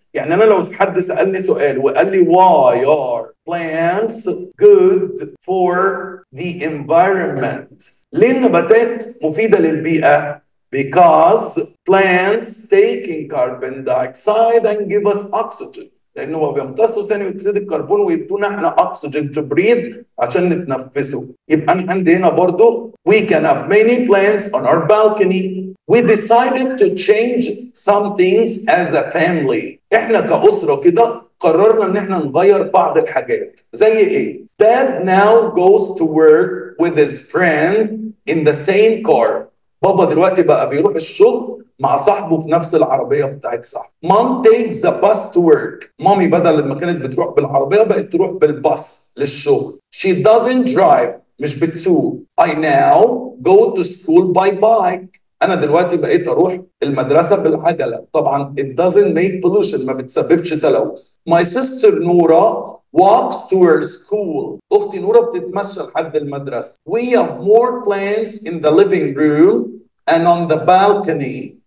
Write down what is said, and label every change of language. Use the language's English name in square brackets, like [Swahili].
[Arabic] يعني انا لو حد سألني سؤال وقال لي [English] why are plants good for the environment, [Arabic] ليه النباتات مفيدة للبيئة؟ [English] Because plants taking carbon dioxide and give us oxygen, [Arabic] لأنه بيمتصوا ثاني أكسيد الكربون ويدونا احنا [English] oxygen to breathe [Arabic] عشان نتنفسه. يبقى انا عندي هنا برضو, [English] We can have many plants on our balcony. We decided to change some things as a family. [Arabic] احنا كأسرة كده قررنا ان احنا نغير بعض الحاجات. زي ايه؟ [English] Dad now goes to work with his friend in the same car. [Arabic] بابا دلوقتي بقى بيروح الشغل مع صاحبه في نفس العربية بتاعت صاحبه. [English] Mom takes the bus to work. [Arabic] مامي بدل ما كانت بتروح بالعربية بقت تروح بالباص للشغل. [English] She doesn't drive. [Arabic] مش بتسوق. [English] I now go to school by bike. [Arabic] أنا دلوقتي بقيت أروح المدرسة بالعجلة. طبعاً [English] it doesn't make pollution, [Arabic] ما بتسببش تلوث. [English] My sister Nora walks to her school. [Arabic] أختي نورة بتتمشى لحد المدرسة. [English] We have more plants in the living room and on the balcony.